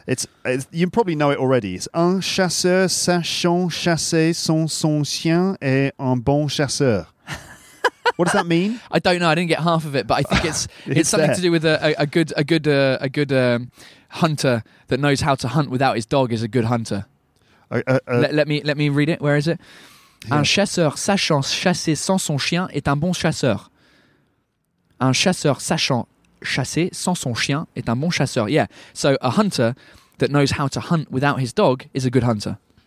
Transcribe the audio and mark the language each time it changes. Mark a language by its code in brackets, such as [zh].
[en] It's you probably know it already. It's [fr] un chasseur sachant chasser son chien et un bon chasseur. [en] What does that mean? I don't know. I didn't get half of it, but I think it's something there. To do with a good hunter that knows how to hunt without his dog is a good hunter. Let me read it. Where is it? Yeah. [fr] Un chasseur sachant chasser sans son chien est un bon chasseur. Un chasseur sachant chasser sans son chien est un bon chasseur. [en] Yeah. So a hunter that knows how to hunt without his dog is a good hunter.